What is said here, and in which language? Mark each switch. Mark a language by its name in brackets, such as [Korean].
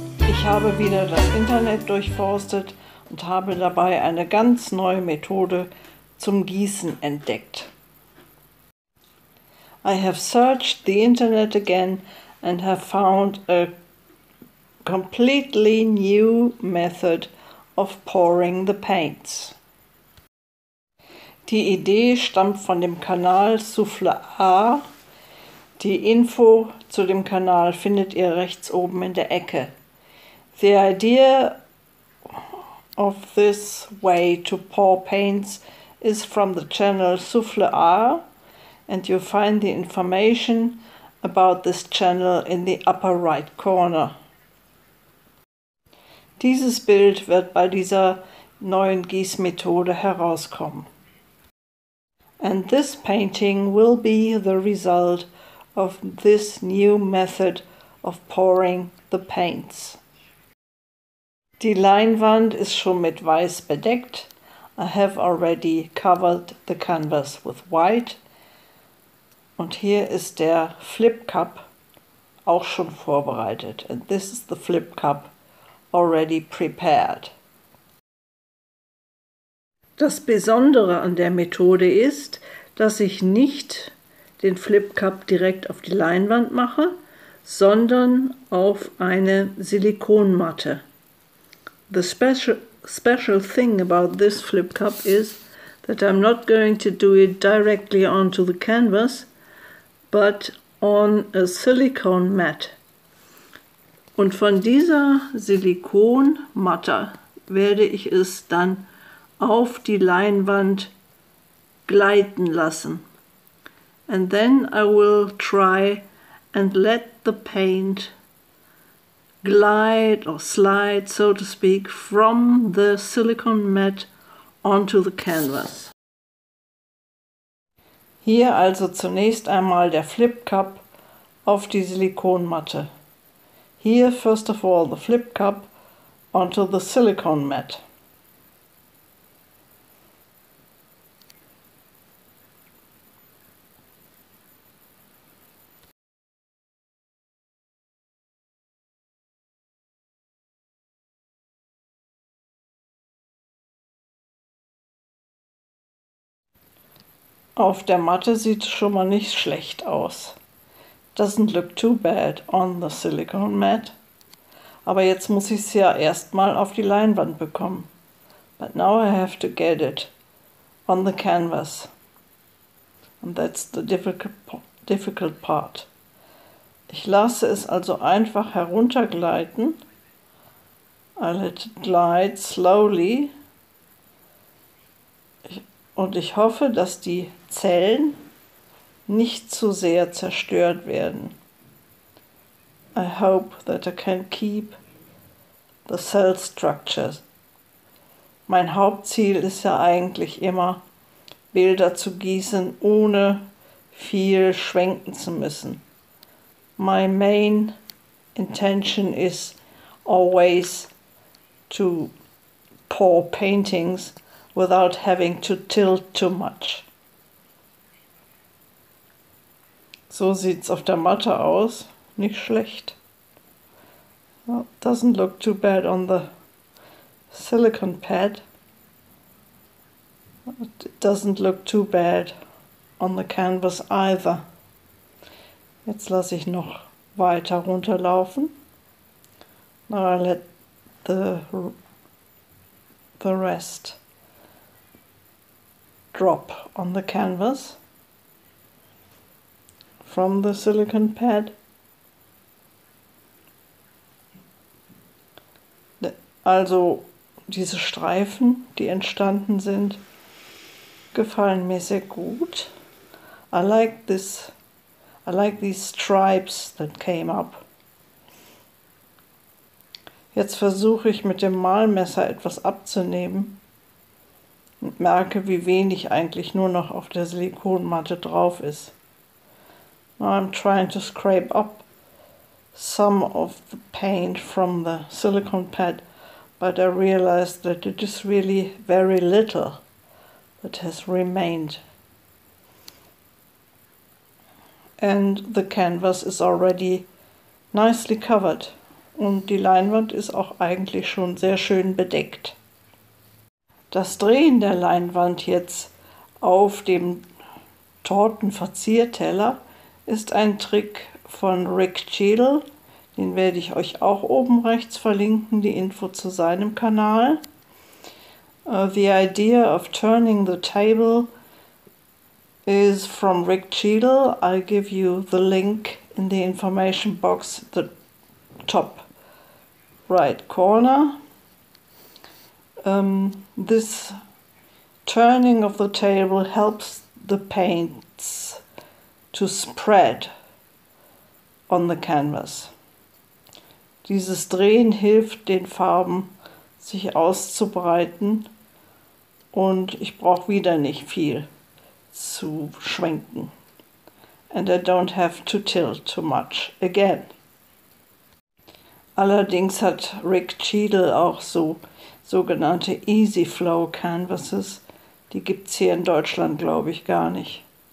[German] Ich habe wieder das Internet durchforstet und habe dabei eine ganz neue Methode zum Gießen entdeckt. [English] I have searched the internet again and have found a completely new method of pouring the paints. [German] Die Idee stammt von dem Kanal Souffle A. Die Info zu dem Kanal findet ihr rechts oben in der Ecke. [English] The idea of this way to pour paints is from the channel Souffle A, and you find the information about this channel in the upper right corner. [German] Dieses Bild wird bei dieser neuen Gießmethode herauskommen. [English] And this painting will be the result of this new method of pouring the paints. [German] Die Leinwand ist schon mit Weiß bedeckt. [English] I have already covered the canvas with white. [German] Und hier ist der Flip Cup auch schon vorbereitet. [English] And this is the Flip Cup already prepared. [German] Das Besondere an der Methode ist, dass ich nicht den Flip Cup direkt auf die Leinwand mache, sondern auf eine Silikonmatte. [English] The special thing about this Flip Cup is that I'm not going to do it directly onto the canvas, but on a silicone mat. [German] Und von dieser Silikonmatte werde ich es dann auf die Leinwand gleiten lassen. [English] And then I will try and let the paint glide or slide, so to speak, from the silicone mat onto the canvas. [German] Hier also zunächst einmal der Flip Cup auf die Silikonmatte. [English] Here first of all the Flip Cup onto the silicone mat. [German] Auf der Matte sieht es schon mal nicht schlecht aus. [English] Doesn't look too bad on the silicone mat. [German] Aber jetzt muss ich es ja erstmal auf die Leinwand bekommen. [English] But now I have to get it on the canvas. And that's the difficult part. [German] Ich lasse es also einfach heruntergleiten. [English] I let it glide slowly. [German] Und ich hoffe, dass die Zellen nicht zu sehr zerstört werden. [English] I hope that I can keep the cell structures. [German] Mein Hauptziel ist ja eigentlich immer, Bilder zu gießen, ohne viel schwenken zu müssen. [English] My main intention is always to pour paintings without having to tilt too much. [German] So sieht's auf der Matte aus. Nicht schlecht. [English] Well, doesn't look too bad on the silicone pad. It doesn't look too bad on the canvas either. [German] Jetzt lasse ich noch weiter runterlaufen. [English] Now I let the rest drop on the canvas from the silicone pad. [German] Also diese Streifen, die entstanden sind, gefallen mir sehr gut. [English] I like these stripes that came up. [German] Jetzt versuche ich mit dem Malmesser etwas abzunehmen. Und merke, wie wenig eigentlich nur noch auf der Silikonmatte drauf ist. [English] Now I'm trying to scrape up some of the paint from the silicone pad, but I realized that it is really very little that has remained. And the canvas is already nicely covered. [German] Und die Leinwand ist auch eigentlich schon sehr schön bedeckt. Das Drehen der Leinwand jetzt auf dem Tortenverzierteller ist ein Trick von Rick Cheadle. Den werde ich euch auch oben rechts verlinken, die Info zu seinem Kanal. [English] The idea of turning the table is from Rick Cheadle. I'll give you the link in the information box, the top right corner. This turning of the table helps the paints to spread on the canvas. [German] Dieses Drehen hilft den Farben, sich auszubreiten, und ich brauche wieder nicht viel zu schwenken. [English] And I don't have to tilt too much again. [German] Allerdings hat Rick Cheadle auch so sogenannte Easy Flow Canvases. Die gibt es hier in Deutschland, glaube ich, gar nicht.